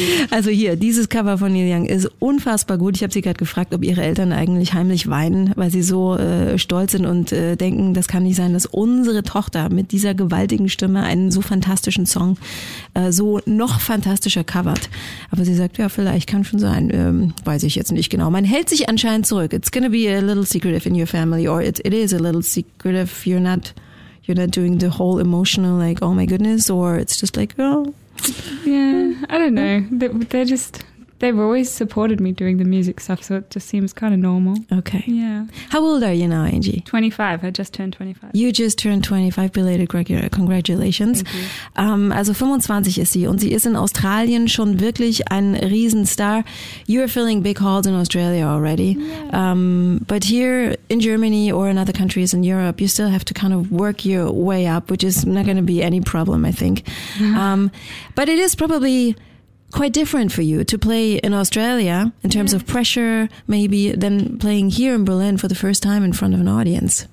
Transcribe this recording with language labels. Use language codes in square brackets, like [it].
[de] Also hier, dieses Cover von Neil Young ist unfassbar gut. Ich habe sie gerade gefragt, ob ihre Eltern eigentlich heimlich weinen, weil sie so stolz sind und denken, das kann nicht sein, dass unsere Tochter mit dieser gewaltigen Stimme einen so fantastischen Song so noch fantastischer covert. Aber sie sagt, ja, vielleicht kann schon sein. Weiß ich jetzt nicht genau. Man hält sich anscheinend zurück. [en] It's gonna be a little secretive in your family or it is a little secretive. You're not doing the whole emotional like, oh my goodness, or it's just like, oh... Yeah, I don't know. They've always supported me doing the music stuff, so it just seems kind of normal. Okay. Yeah. How old are you now, Angie? 25. I just turned 25. You just turned 25, belated congratulations. Thank you. [de] Also 25 ist sie und sie ist in Australien schon wirklich ein Riesenstar. [en] You're filling big halls in Australia already. Yeah. But here in Germany or in other countries in Europe, you still have to kind of work your way up, which is not going to be any problem, I think. But it is probably quite different for you to play in Australia in terms of pressure, maybe, than playing here in Berlin for the first time in front of an audience.